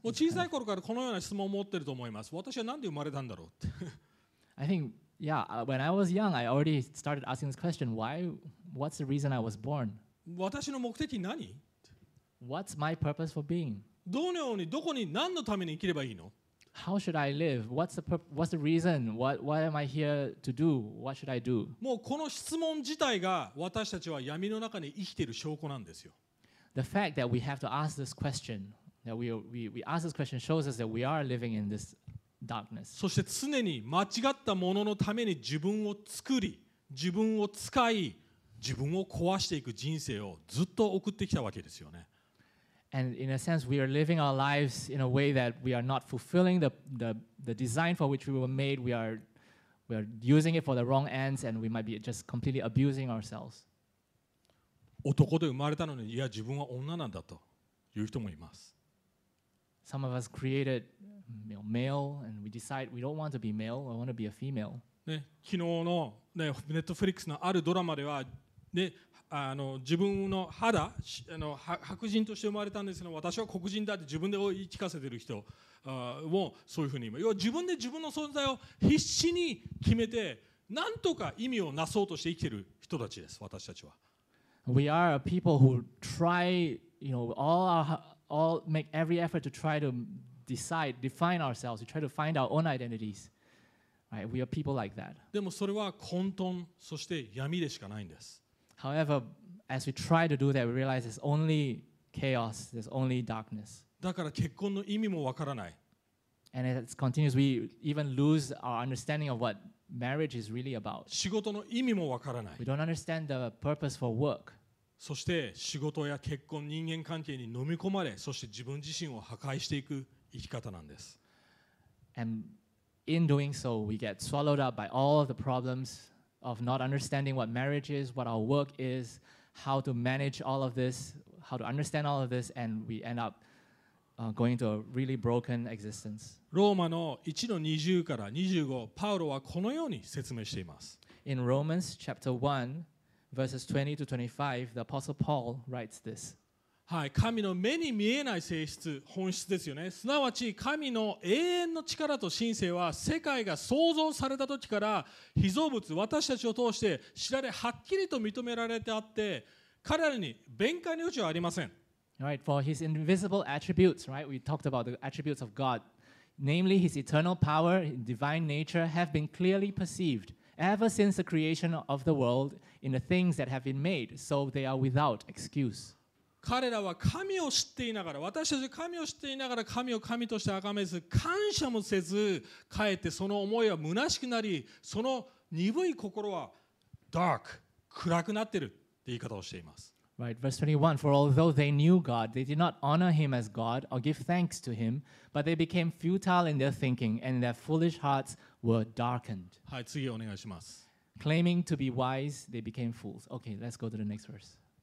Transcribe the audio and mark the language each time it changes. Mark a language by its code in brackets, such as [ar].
[ja] もう小さい頃からこのような質問を持ってると思います。私はなんで生まれたんだろうって。 [en] I think, yeah, when I was young, I already started asking this question, why, what's the reason I was born? [ja] 私の目的何? [en] What's my purpose for being? [ja] どのように、どこに、何のために生きればいいの? [en] How should I live? What's the reason? What am I here to do? What should I do? [ja] もうこの質問自体が私たちは闇の中に生きている証拠なんですよ。 [en] The fact that we have to ask this question, that we ask this question shows us that we are living in this darkness. [ja] そして常に間違ったもののために自分を作り、自分を使い、自分を壊していく人生をずっと送ってきたわけですよね。 [en] And in a sense, we are living our lives in a way that we are not fulfilling the design for which we were made. We are using it for the wrong ends, and we might be just completely abusing ourselves. [ja] 男で生まれたのに、いや、自分は女なんだという人もいます。 [en] Some of us created, you know, male, and we decide we don't want to be male. We want to be a female. [ja] ね、昨日のね、Netflix のあるドラマでは、ね。自分の肌白人として生まれたんですが私は黒人だって自分で言い聞かせている人もそういうふうに言う要は自分で自分の存在を必死に決めて何とか意味をなそうとして生きている人たちです私たちは [en] We are a people who try you know, all make every effort to try to decide, define ourselves, we try to find our own identities、right? We are people like that [ja] でもそれは混沌そして闇でしかないんです [en] However, as we try to do that, we realize there's only chaos, there's only darkness. [ja] だから結婚の意味もわからない。 [en] And as it continues, we even lose our understanding of what marriage is really about. [ja] 仕事の意味もわからない。 [en] We don't understand the purpose for work. [ja] そして仕事や結婚、人間関係に飲み込まれ、そして自分自身を破壊していく生き方なんです。 [en] And in doing so, we get swallowed up by all the problems. Of not understanding what marriage is, what our work is, how to manage all of this, how to understand all of this, and we end up going to a really broken existence. [ja] ローマの 1-20 から25, パウロはこのように説明しています。 [en] In Romans chapter 1, verses 20 to 25, the Apostle Paul writes this. [ja] はい、神の目に見えない性質、本質ですよね。すなわち神の永遠の力と神性は世界が創造された時から被造物、私たちを通して知られはっきりと認められてあって彼らに弁解の余地はありません。 [en] Right, for his invisible attributes, right? We talked about the attributes of God. Namely, his eternal power, divine nature have been clearly perceived ever since the creation of the world in the things that have been made, so they are without excuse. [ja] 彼らは神を知っていながら、私たち神を知っていながら神を神として崇めず、感謝もせず、かえってその思いは虚しくなり、その鈍い心は dark、暗くなっているって言い方をしています。 [en] Right, verse 21. For although they knew God, they did not honor him as God or give thanks to him, but they became futile in their thinking and their foolish hearts were darkened. [ja] はい、次お願いします。 [en] Claiming to be wise, they became fools. Okay, let's go to the next verse.